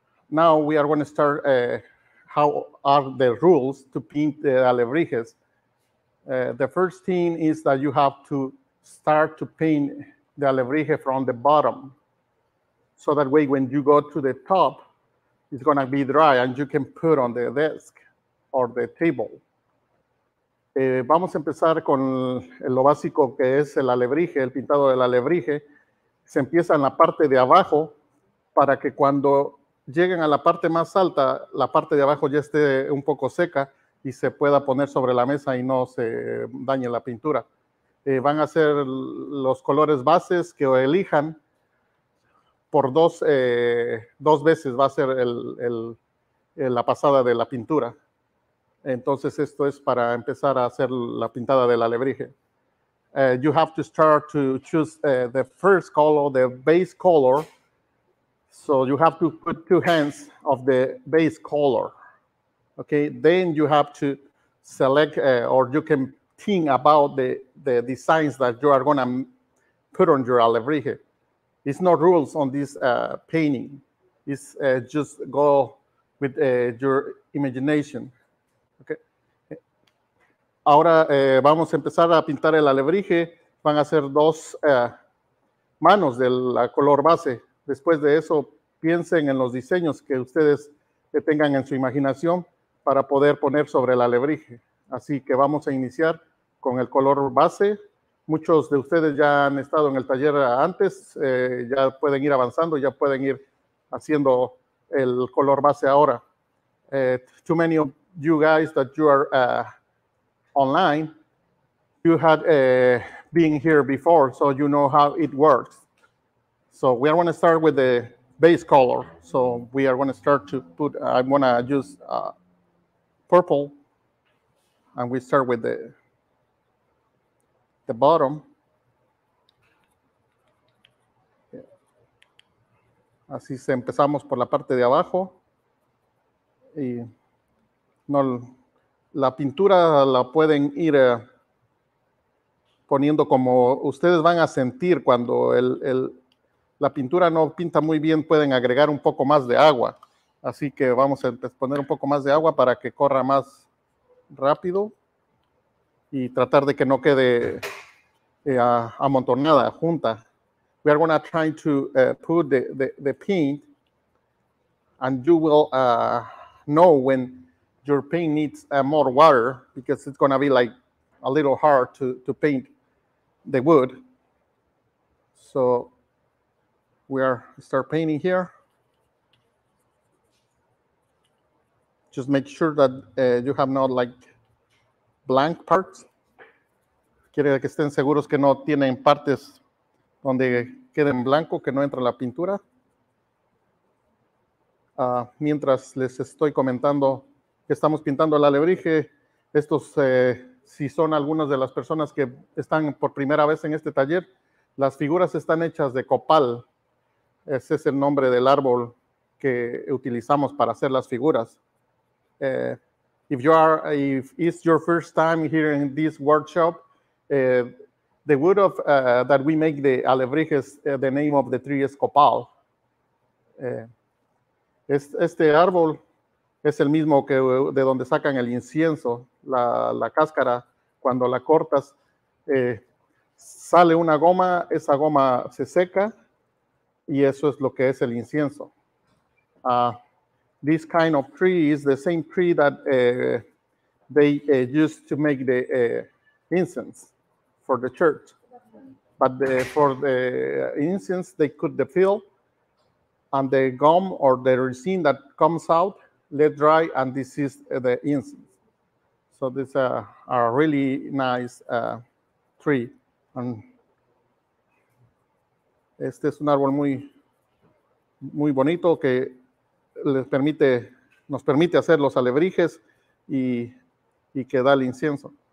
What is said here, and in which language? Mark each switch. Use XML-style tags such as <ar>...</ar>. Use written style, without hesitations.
<en>Now we are going to start how are the rules to pin the alebrijes. The first thing is that you have to start to pin the alebrije from the bottom. So that way when you go to the top, it's going to be dry and you can put on the desk or the table.</en> <es>Vamos a empezar con lo básico que es el alebrije, el pintado del alebrije. Se empieza en la parte de abajo para que cuando lleguen a la parte más alta, la parte de abajo ya esté un poco seca y se pueda poner sobre la mesa y no se dañe la pintura. Van a ser los colores bases que elijan por dos veces va a ser la pasada de la pintura. Entonces esto es para empezar a hacer la pintada del alebrije.</es> <en>You have to start to choose the first color, the base color. So you have to put two hands of the base color. Okay, then you have to select or you can think about the designs that you are going to put on your alebrije. It's no rules on this painting. It's just go with your imagination. Okay.</en> <es>Ahora vamos a empezar a pintar el alebrije. Van a ser dos manos del color base. Después de eso, piensen en los diseños que ustedes tengan en su imaginación para poder poner sobre el alebrije. Así que vamos a iniciar con el color base. Muchos de ustedes ya han estado en el taller antes, ya pueden ir avanzando, ya pueden ir haciendo el color base ahora.</es> <en>Too many of you guys that you are online, you had been here before, so you know how it works. So we are going to start with the base color. So we are going to start to put, I'm going to use purple, and we start with the bottom.</en> <es>Así se empezamos por la parte de abajo. Y no, la pintura la pueden ir poniendo como ustedes van a sentir cuando la pintura no pinta muy bien, pueden agregar un poco más de agua. Así que vamos a poner un poco más de agua para que corra más rápido y tratar de que no quede amontonada, junta.</es> <en>We are going to try to put the paint, and you will know when your paint needs more water, because it's going to be like a little hard to paint the wood. So we are start painting here. Just make sure that you have not like blank parts.</en> <es>Quiere que estén seguros que no tienen partes donde quede en blanco, que no entra la pintura. Mientras les estoy comentando que estamos pintando el alebrije. Estos, si son algunas de las personas que están por primera vez en este taller, las figuras están hechas de copal. Ese es el nombre del árbol que utilizamos para hacer las figuras.</es> <en>If you are, if it's your first time here in this workshop, the wood of that we make the alebrijes, the name of the tree is copal.</en> <es>Este árbol es el mismo que de donde sacan el incienso, la cáscara. Cuando la cortas, sale una goma, esa goma se seca, y eso es lo que es el incienso.</es> <en>This kind of tree is the same tree that they used to make the incense for the church. But for the incense, they cut the field, and the gum or the resin that comes out, let dry, and this is the incense. So this is a really nice tree.</en> <es>And este es un árbol muy, muy bonito que les permite, nos permite hacer los alebrijes y que da el incienso.</es>